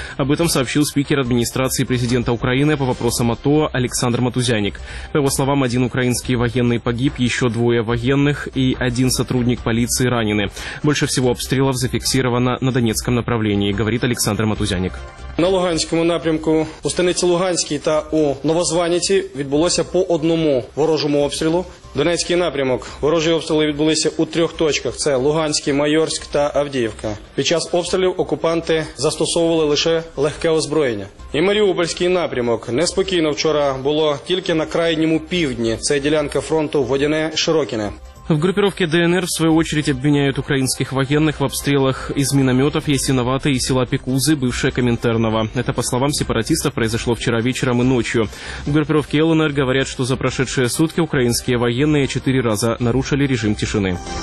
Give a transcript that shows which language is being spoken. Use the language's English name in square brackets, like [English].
[Russian] Об этом сообщил спикер администрации президента Украины по вопросам АТО Александр Матузяник. По его словам, один украинский военный погиб, еще двое военных и один сотрудник полиции ранены. Больше всего обстрелов зафиксировано на Донецком направлении, говорит Александр Матузяник. [Ukrainian] На Луганському напрямку у станиці Луганській та у Новозваніці відбулося по одному ворожому обстрілу. Донецький напрямок. Ворожі обстріли відбулися у трьох точках. Це Луганський, Майорськ та Авдіївка. Під час обстрілів окупанти застосовували лише легке озброєння. І Маріупольський напрямок. Неспокійно вчора було тільки на крайньому півдні. Це ділянка фронту Водяне-Широкіне. [Russian] В группировке ДНР, в свою очередь, обвиняют украинских военных в обстрелах из минометов Ясиновата и села Пекузы, бывшая Коминтерново. Это, по словам сепаратистов, произошло вчера вечером и ночью. В группировке ЛНР говорят, что за прошедшие сутки украинские военные 4 раза нарушили режим тишины.